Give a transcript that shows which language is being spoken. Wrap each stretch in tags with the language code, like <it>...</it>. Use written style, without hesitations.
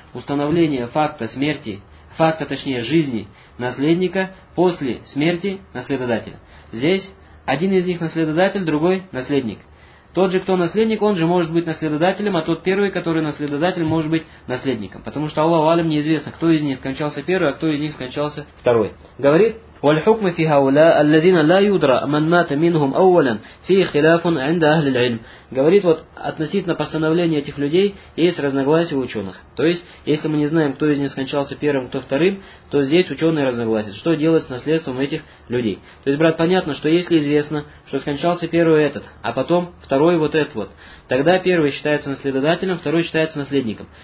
<ru>Установление факта смерти. Факта, точнее, жизни наследника после смерти наследодателя. Здесь один из них наследодатель, другой наследник. Тот же, кто наследник, он же может быть наследодателем, а тот первый, который наследодатель, может быть наследником. Потому что Аллаху Алям неизвестно, кто из них скончался первый, а кто из них скончался второй. Говорит,</ru> <ar>وَالْحُكْمَ فِي هَوْلَا الَّذِينَ لَا يُدْرَ مَنْ مَاتَ مِنْهُمْ أَوَّلًا فِي خِلَافٌ عِنْدَ أَهْلِ الْعِلْمِ.</ar> <ru>Говорит, вот относительно постановления этих людей есть разногласия у ученых. То есть, если мы не знаем, кто из них скончался первым, кто вторым, то здесь ученые разногласят. Что делать с наследством этих людей? То есть, брат, понятно, что если известно, что скончался первый этот, а потом второй вот этот вот, тогда первый считается наследодателем, второй считается наследником.</ru>